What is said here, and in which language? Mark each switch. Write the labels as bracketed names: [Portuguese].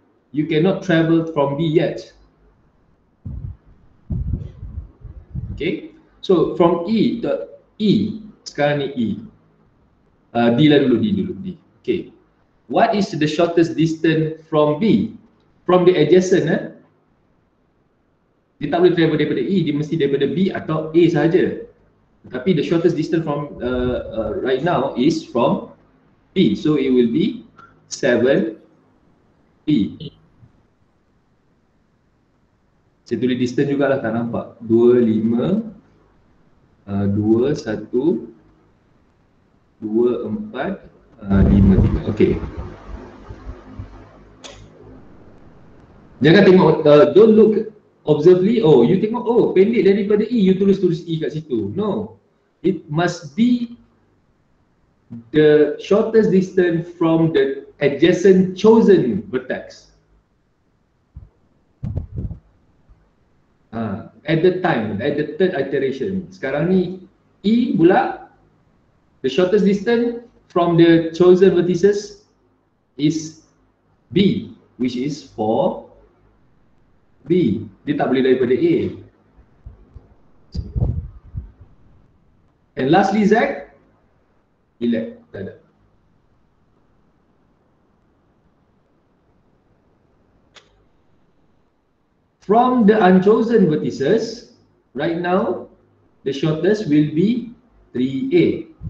[English] You cannot travel from B yet. Okay, so from E, the E, [Malay] sekarang ni E. D lah dulu, D dulu, [English] D. Okay, what is the shortest distance from B? From the adjacent, eh? [Malay] Dia tak boleh travel daripada E, dia mesti daripada B atau A sahaja. Tapi [English] the shortest distance from right now is from B. So it will be 7B. [Malay] Saya tulis distance jugalah, tak nampak. 2, 5, 2, 1, 2, 4, 5, 3. Okay. Jangan tengok, [English] don't look observably. [Malay] Oh, you tengok, oh pendek daripada E, you tulis-tulis E kat situ. [English] No, it must be the shortest distance from the adjacent chosen vertex. At the time, at the third iteration. [Malay] Sekarang ni E pula, [English] the shortest distance from the chosen vertices is B, which is 4 B. [Malay] Dia tak boleh daripada A. [English] And lastly Z, relax, [Malay] tak ada. [English] From the unchosen vertices, right now, the shortest will be 3A.